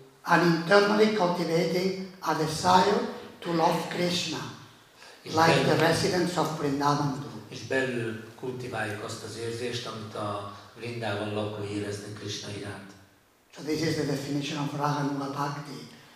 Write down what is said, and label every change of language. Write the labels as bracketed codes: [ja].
[en] And internally cultivating a desire to love Krishna, like the residents of Vrindavan do. [hu] És belül kultiváljuk azt az érzést, amit a Vrindavan lakói éreznek Krishna iránt. [en] So this is the definition of Radha Mula Bhakti.